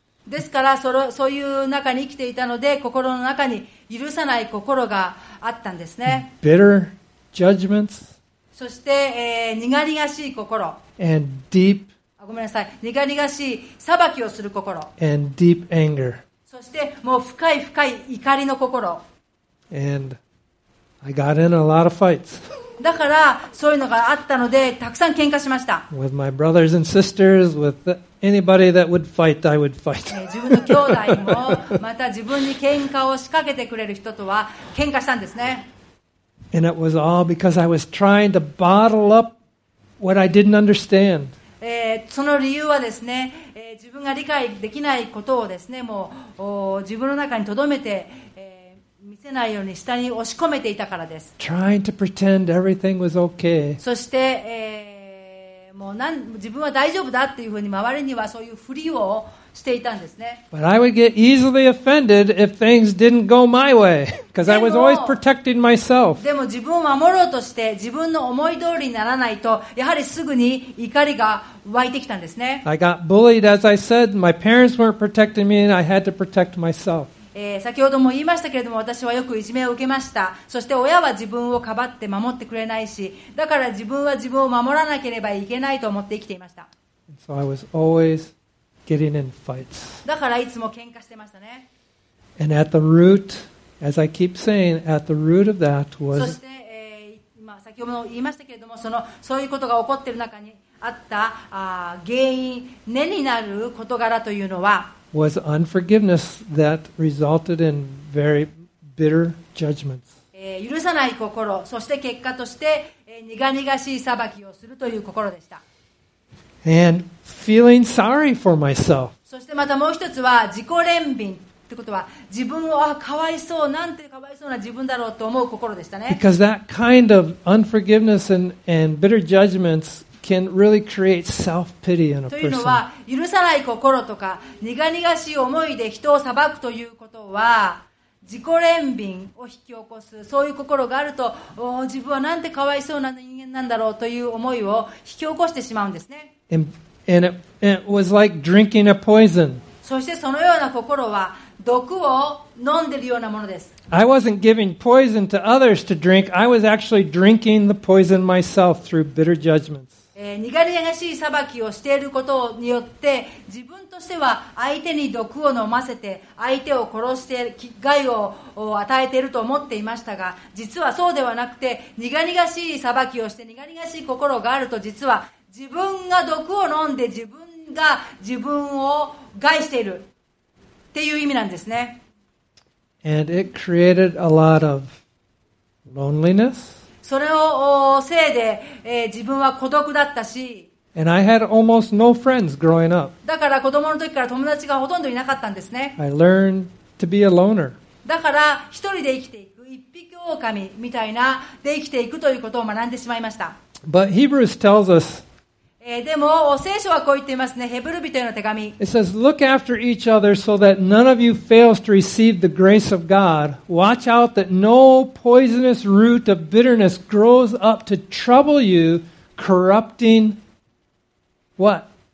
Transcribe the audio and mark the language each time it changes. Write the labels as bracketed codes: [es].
[ja] ですから、そういう中に生きていたので、心の中に許さない心があったんですね。 [en] Bitter judgments. [ja] そして、にがにがしい心。 [en] And deep. [ja] ごめんなさい。にがにがしい裁きをする心。 [en] And deep anger. [ja] そして、もう深い深い怒りの心。 [en] And I got in a lot of fights. [ja] だからそういうのがあったのでたくさん喧嘩しました。 [en] With my brothers and sisters, with anybody that would fight, I would fight. [ja] 自分の兄弟もまた自分に喧嘩を仕掛けてくれる人とは喧嘩したんですね。 [en] And it was all because I was trying to bottle up what I didn't understand. [ja] その理由はですね、自分が理解できないことをですね、もう自分の中に留めて。見せないように下に押し込めていたからです。 [en] Trying to pretend everything was okay. [ja] そして、もう自分は大丈夫だっていうふうに周りにはそういうふりをしていたんですね。 [en] But I would get easily offended if things didn't go my way, because I was always protecting myself. [ja] でも自分を守ろうとして自分の思い通りにならないとやはりすぐに怒りが湧いてきたんですね。 [en] I got bullied, as I said. My parents weren't protecting me, and I had to protect myself. [ja] 先ほども言いましたけれども私はよくいじめを受けました。そして親は自分をかばって守ってくれないし、だから自分は自分を守らなければいけないと思って生きていました。 [en] So I was always getting in fights. [ja] だからいつも喧嘩してましたね。 [en] And at the root, as I keep saying, at the root of that was... [ja] そして、今先ほども言いましたけれども そういうことが起こっている中にあった原因、根になる事柄というのは [en] was unforgiveness that resulted in very bitter judgments. [ja] 許さない心、そして結果として苦々しい裁きをするという心でした。 [en] And feeling sorry for myself. [ja] そしてまたもう一つは自己憐憫ということは自分をかわいそう、なんてかわいそうな自分だろうと思う心でしたね。 [en] Because that kind of unforgiveness and bitter judgments can really create self-pity in a person. [ja] というのは許さない心とか苦々しい思いで人を裁くということは自己憐憫を引き起こす、そういう心があると、自分はなんてかわいそうな人間なんだろうという思いを引き起こしてしまうんですね。 [en] And it was like drinking a poison. [ja] そしてそのような心は毒を飲んでいるようなものです。 [en] I wasn't giving poison to others to drink. I was actually drinking the poison myself through bitter judgments. [ja] 苦々しい裁きをしていることによって自分としては相手に毒を飲ませて相手を殺して害を与えていると思っていましたが、実はそうではなくて苦々しい裁きをして苦々しい心があると実は自分が毒を飲んで自分が自分を害しているっていう意味なんですね。 [en] And it created a lot of loneliness. [ja] それをせいで、自分は孤独だったし、 [en] And I had almost no friends growing up. [ja] だから子供の時から友達がほとんどいなかったんですね。 [en] I learned to be a loner. [ja] だから一人で生きていく、一匹狼みたいなで生きていくということを学んでしまいました。 [en] But Hebrews tells us、 [ja] でも聖書はこう言っていますね。ヘブル人への手紙。 [en] It says, look after each other so that none of you fails to receive the grace of God. Watch out that no poisonous root of bitterness grows up to trouble you, corrupting what?